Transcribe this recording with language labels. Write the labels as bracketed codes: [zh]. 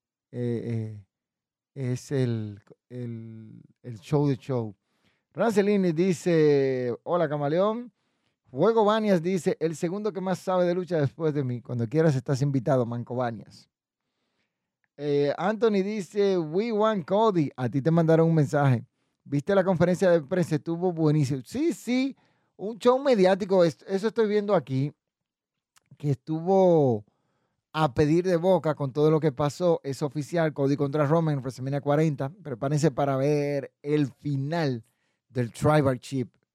[es] es el show de show. Rancelini dice, hola Camaleón. Fuego Banias dice, el segundo que más sabe de lucha después de mí. Cuando quieras estás invitado, Manco Banias. [en] Anthony [es] dice, [en] we want Cody. [es] A ti te mandaron un mensaje. ¿Viste la conferencia de prensa? Estuvo buenísimo. Sí, sí, un show mediático. Eso estoy viendo aquí. Que estuvo a pedir de boca con todo lo que pasó. Es oficial, Cody contra Roman, WrestleMania 40. Prepárense para ver el final del Tribal Chief.